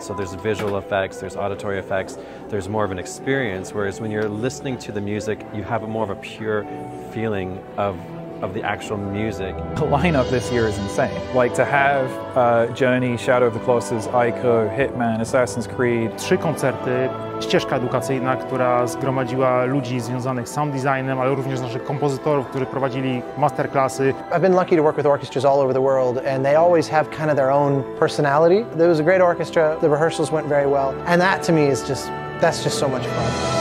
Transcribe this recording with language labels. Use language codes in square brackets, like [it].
[en] So there's visual effects, there's auditory effects, there's more of an experience. Whereas when you're listening to the music, you have a more of a pure feeling of the actual music. The lineup this year is insane. Like to have Journey, Shadow of the Colossus, Ico, Hitman, Assassin's Creed. [pl] Trzy koncerty, ścieżka edukacyjna, która zgromadziła ludzi związanych z sound designem, ale również naszych kompozytorów, którzy prowadzili masterclassy. [en] I've been lucky to work with orchestras all over the world, and they always have kind of their own personality. There was a great orchestra, the rehearsals went very well, and that to me is just, that's just so much fun.